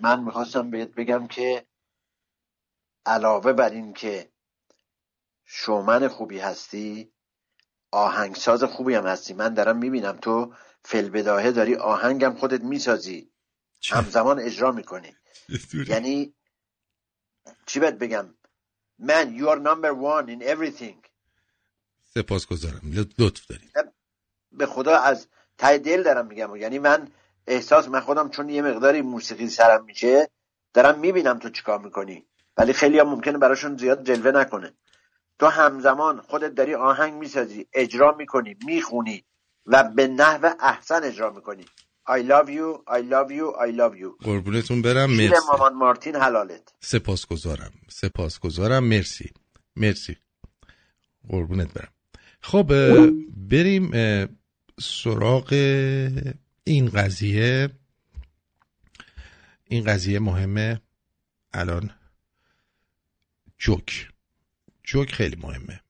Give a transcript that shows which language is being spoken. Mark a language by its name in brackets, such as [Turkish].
[Persian] من میخواستم بهت بگم که علاوه بر این که شومن خوبی هستی، آهنگساز خوبی هم هستی. من دارم میبینم تو فلبداهه داری آهنگم خودت میسازی، همزمان اجرا میکنی. یعنی چی بهت بگم؟ من [English] you are number one in everything. [Persian] سپاسگزارم، لطف داری. به خدا از ته دل دارم میگم، یعنی من احساس من خودم چون یه مقداری موسیقی سرم میشه دارم میبینم تو چیکار میکنی، ولی خیلی هم ممکنه براشون زیاد جلوه نکنه. تو همزمان خودت داری آهنگ میسازی، اجرا میکنی، میخونی و به نحو احسن اجرا میکنی. [English] I love you, I love you, I love you. [Persian] قربونتون برم، مرسی. شیر مامان مارتین حلالت. سپاسگزارم، سپاسگزارم، مرسی، مرسی. قربونت برم. خب بریم سراغ این قضیه. این قضیه مهمه الان. جوک، جوک خیلی مهمه.